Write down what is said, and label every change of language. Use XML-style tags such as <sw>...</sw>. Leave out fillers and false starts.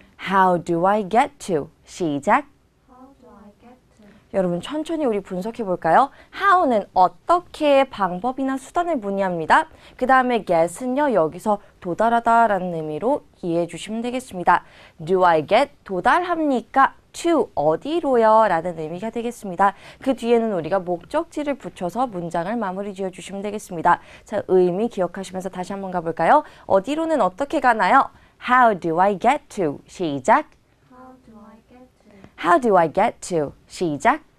<en>How do I get to?</en> <ko>시작!</ko> <en>How do I get to?</en> <ko>여러분, 천천히 우리 분석해 볼까요? How는 어떻게 방법이나 수단을 문의합니다. 그 다음에 get은요, 여기서 도달하다 라는 의미로 이해해 주시면 되겠습니다.</ko> <en>Do I get</en> <ko>도달합니까? To 어디로요? 라는 의미가 되겠습니다. 그 뒤에는 우리가 목적지를 붙여서 문장을 마무리 지어 주시면 되겠습니다. 자, 의미 기억하시면서 다시 한번 가볼까요? 어디로는 어떻게 가나요?</ko> <en>How do I get to?</en> <ko>시작!</ko> <en>How do I get to? How do I get to?</en> <ko>시작!</ko>